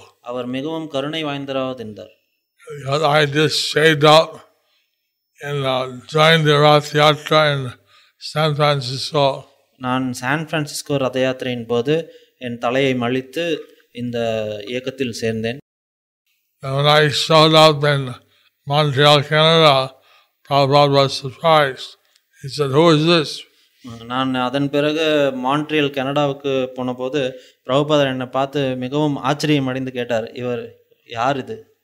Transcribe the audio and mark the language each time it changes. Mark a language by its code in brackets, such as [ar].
[ta] அவர் மிகவும் கருணை வாய்ந்தராவது இருந்தார். [en] I just stayed up and joined the Rath Yatra in San Francisco. [ta] நான் சான் பிரான்சிஸ்கோ ரத யாத்திரையின் போது என் தலையை மழித்து இந்த இயக்கத்தில் சேர்ந்தேன். [en] When I showed up in Montreal, Canada, Prabhupada was surprised. He said, "Who is this?" [ta] நான் அதன் பிறகு மான்ட்ரியல் கனடாவுக்கு போன போது பிரபுபாதர் என்னை பார்த்து மிகவும் ஆச்சரியம் அடைந்து கேட்டார், இவர் யார் இது?